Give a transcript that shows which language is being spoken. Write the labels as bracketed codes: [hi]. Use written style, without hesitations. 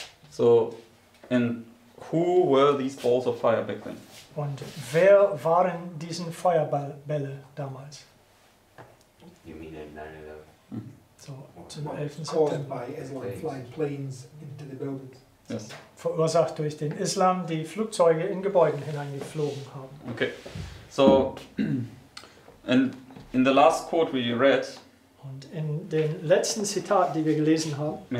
[en] So, and who were these balls of fire back then? [de] Und wer waren diesen Feuerbälle damals? [en] You mean 9/11? [de] So, zum 11. September. [en] Caused by Islam flying planes into the buildings. Yes. [de] Verursacht durch den Islam, die Flugzeuge in Gebäuden hineingeflogen haben. [en] Okay. So, and in the last quote we read, [de] und in dem letzten Zitat, die wir gelesen haben,